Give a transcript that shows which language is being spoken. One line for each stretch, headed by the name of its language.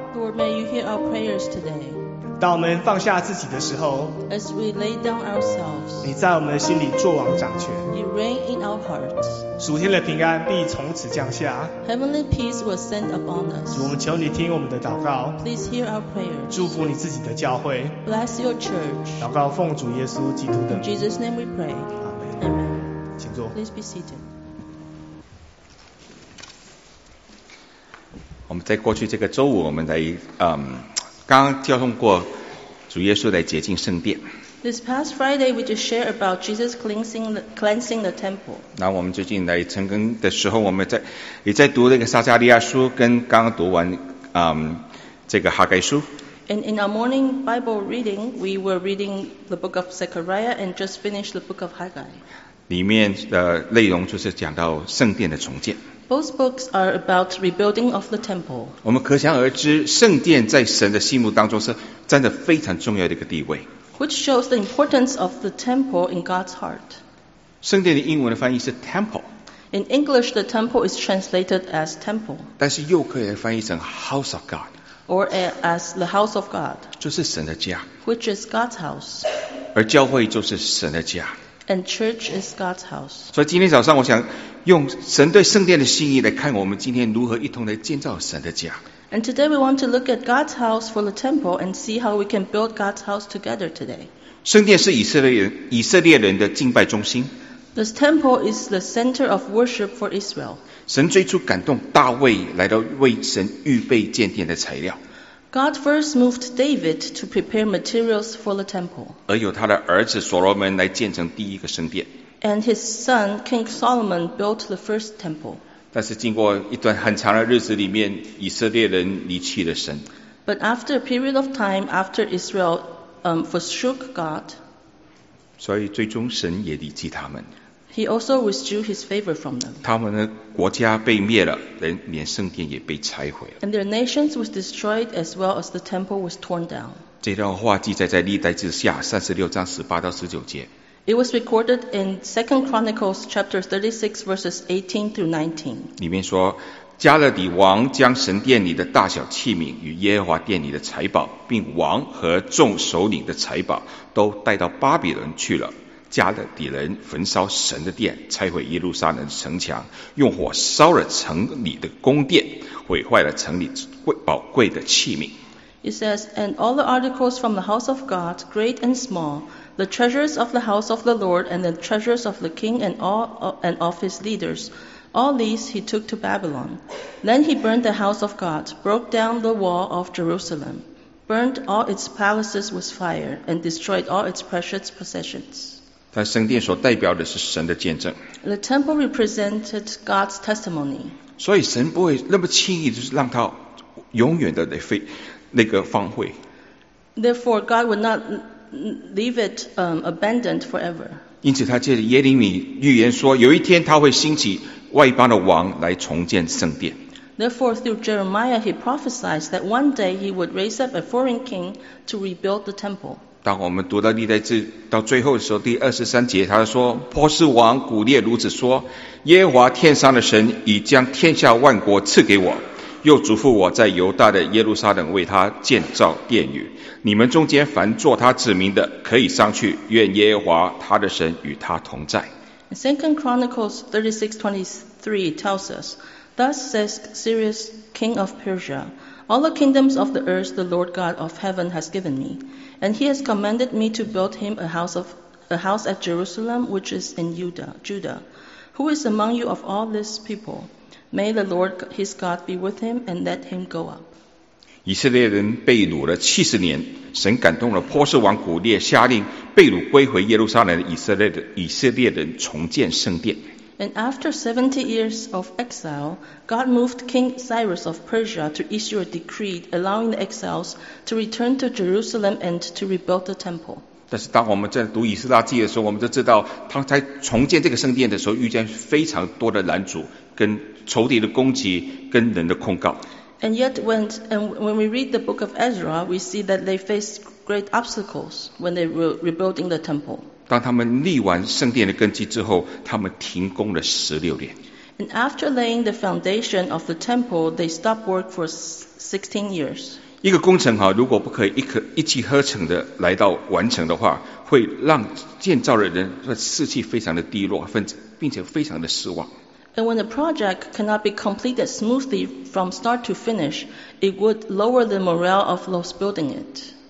English: Lord, may you hear our prayers today.
Chinese: 当我们放下自己的时候，
English: As we lay down ourselves，
Chinese: 你在我们的心里作王掌权，
English: You reign in our hearts，
Chinese: 属天的平安必从此降下，
English: Heavenly peace will send upon us，
Chinese: 主，我们求你听我们的祷告，
English: Please hear our prayers，
Chinese: 祝福你自己的教会，
English: Bless your church，
Chinese: 祷告奉主耶稣基督的，
English: In Jesus' name we pray，
Chinese: 阿们。
English: Amen，
Chinese: 请坐。
English: Please be seated。
Chinese: 我们在过去这个周五，我们来刚刚交通过主耶稣来洁净圣殿。
English: This past Friday, we just share about Jesus cleansing the temple.
Chinese: 那我们最近来晨更的时候，我们在也在读那个撒迦利亚书，跟刚刚读完这个哈该书。
English: And in our morning Bible reading, we were reading the book of Zechariah and just finished the book of Haggai.
Chinese: 里面的内容就是讲到圣殿的重建。
English: Both books are about rebuilding of the temple.
Chinese: 我们可想而知，圣殿在神的心目当中是占着非常重要的一个地位。
English: Which shows the importance of the temple in God's heart.
Chinese: 圣殿的英文的翻译是 temple.
English: In English, the temple is translated as temple.
Chinese: 但是又可以翻译成
English: house of God. Or as the house of God.
Chinese: 就是神的家。
English: Which is God's house.
Chinese: 而教会就是神的家。
English: And church is God's house.
Chinese: 所以今天早上我想用神对圣殿的心意来看我们今天如何一同来建造神的家。
English: And today we want to look at God's house for the temple and see how we can build God's house together today.
Chinese: 圣殿是以色列人的敬拜中心。
English: This temple is the center of worship for Israel.
Chinese: 神最初感动大卫来到为神预备建殿的材料。
English: God first moved David to prepare materials for the temple.
Chinese: 而由他的儿子所罗门来建成第一个圣殿。
English: And his son King Solomon built the first temple.
Chinese: 但是经过一段很长的日子里面，以色列人离弃了神。
English: But after a period of time after Israel forsook God,
Chinese: 所以最终神也离弃他们。
English: He also withdrew his favor from them.
Chinese: 他们的国家被灭了，连圣殿也被拆毁了。
English: And their nations was destroyed as well as the temple was torn down.
Chinese: 这段话记载在历代志下36:18-19.
English: It was recorded in 2 Chronicles chapter 36 verses 18 through 19.
Chinese: 里面说，加勒底王将神殿里的大小器皿与耶和华殿里的财宝，并王和众首领的财宝都带到巴比伦去了。加勒底人焚烧神的殿，拆毁耶路撒冷的城墙，用火烧了城里的宫殿，毁坏了城里宝贵的器皿。
English: It says, and all the articles from the house of God, great and small, the treasures of the house of the Lord, and the treasures of the king and all and of his leaders, all these he took to Babylon. Then he burned the house of God, broke down the wall of Jerusalem, burned all its palaces with fire, and destroyed all its precious possessions.
Chinese: 但圣殿所代表的是神的见证。
English: The temple represented God's testimony.
Chinese: 所以神不会那么轻易就是让他永远的来废那个荒废。
English: Therefore, God would not leave it abandoned forever.
Chinese: 因此他借着耶利米预言说，有一天他会兴起外邦的王来重建圣殿。
English: Therefore, through Jeremiah, he prophesied that one day he would raise up a foreign king to rebuild the temple.
Chinese: 当我们读到历代志到最后的时候，第23节，他说：“波斯王古列如此说，耶和华天上的神已将天下万国赐给我，又嘱咐我在犹大的耶路撒冷为他建造殿宇。你们中间凡做他子民的，可以上去，愿耶和华他的神与他同在。”
English: Second Chronicles 36:23 tells us, "Thus says Cyrus, king of Persia." All the kingdoms of the earth the Lord God of heaven has given me, and he has commanded me to build him a house at Jerusalem, which is in Judah. Who is among you of all this people? May the Lord his God be with him and let him go up.
Chinese: 以色列人被掳了70年，神感动了波斯王古列，下令被掳归回耶路撒冷的以色列人重建圣殿。
English: And after 70 years of exile, God moved King Cyrus of Persia to issue a decree allowing the exiles to return to Jerusalem and to rebuild the temple.
Chinese: 但是当我们在读以斯拉记的时候，我们就知道他在重建这个圣殿的时候遇见非常多的拦阻，跟仇敌的攻击，跟人的控告。
English: And yet when we read the book of Ezra, we see that they faced great obstacles when they were rebuilding the temple.
Chinese: 当他们立完圣殿的根基之后，他们停工了16年。
English: And after laying the foundation of the temple, they stopped work for 16 years.
Chinese: 一个工程如果不可以一气呵成的来到完成的话，会让建造的人的士气非常的低落，并且非常的失望。
English: And when the project cannot be completed smoothly from start to finish, it would lower the morale of those building it.